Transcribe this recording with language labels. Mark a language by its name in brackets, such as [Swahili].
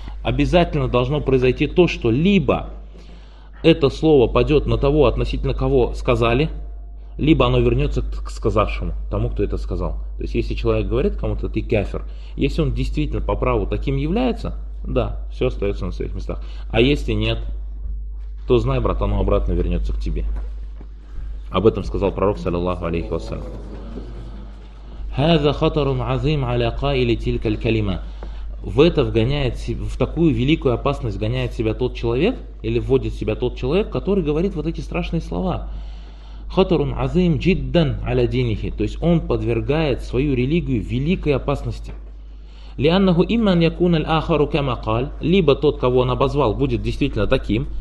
[Russian] Обязательно должно произойти то, что либо это слово падет на того, относительно кого сказали, либо оно вернется к сказавшему, тому, кто это сказал. То есть, если человек говорит кому-то, ты кафир, если он действительно по праву таким является, да, все остается на своих местах. А если нет, то знай, брат, оно обратно вернется к тебе. Об этом сказал пророк, саллиллаху алейхи вассалям. [Arabic] هذا خطر عظيم على قائل تلك الكلمة. [Russian] В это вгоняет, в такую великую опасность гоняет себя тот человек, или вводит в себя тот человек, который говорит вот эти страшные слова. [Arabic] Хатарун азим джиддан аля динихи. [Russian] То есть он подвергает свою религию великой опасности. [Arabic] Лианнаху имман якун аль ахару кама каль. [Russian] Либо тот, кого он обозвал, будет действительно таким.